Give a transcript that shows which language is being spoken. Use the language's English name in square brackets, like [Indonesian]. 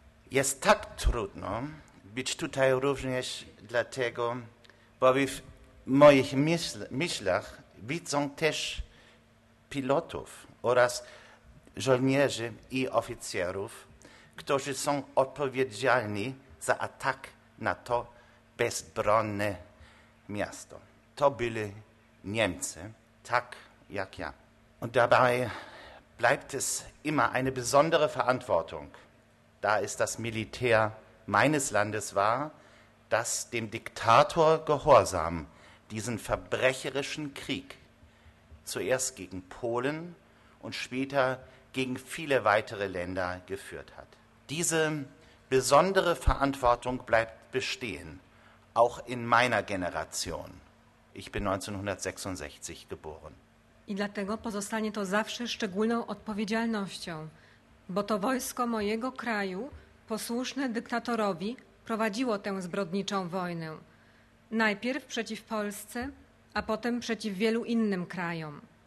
[Polish] Jest tak trudno być tutaj również dlatego, bo w moich myślach widzą też pilotów oraz żołnierzy i oficerów, którzy są odpowiedzialni za atak na to bezbronne miasto. To byli Niemcy, tak jak ja. [German] Und dabei bleibt es immer eine besondere Verantwortung, da es das Militär meines Landes war, das dem Diktator gehorsam diesen verbrecherischen Krieg zuerst gegen Polen und später gegen viele weitere Länder geführt hat. Diese besondere Verantwortung bleibt bestehen, auch in meiner Generation. Ich bin 1966 geboren. [Polish] I dlatego pozostanie to zawsze szczególną odpowiedzialnością, bo to wojsko mojego kraju, posłuszne dyktatorowi, prowadziło tę zbrodniczą wojnę. Najpierw przeciw Polsce, a potem przeciw wielu innym krajom.